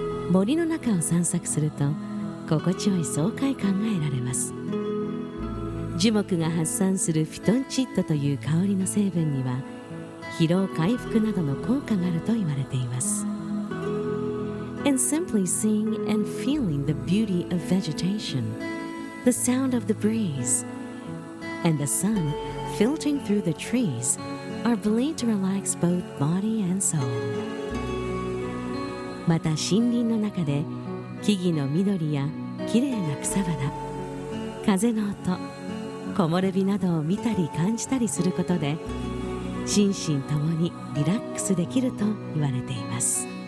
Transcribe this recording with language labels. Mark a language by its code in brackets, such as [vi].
[ja] 森の中を散策すると、心地よい爽快感が得られます。樹木が発散するフィトンチッドという香りの成分には、疲労回復などの効果があると言われています。 [en] And simply seeing and feeling the beauty of vegetation, the sound of the breeze, and the sun filtering through the trees are believed to relax both body and soul. [ja] また森林の中で木々の緑やきれいな草花、風の音、木漏れ日などを見たり感じたりすることで、心身ともにリラックスできると言われています。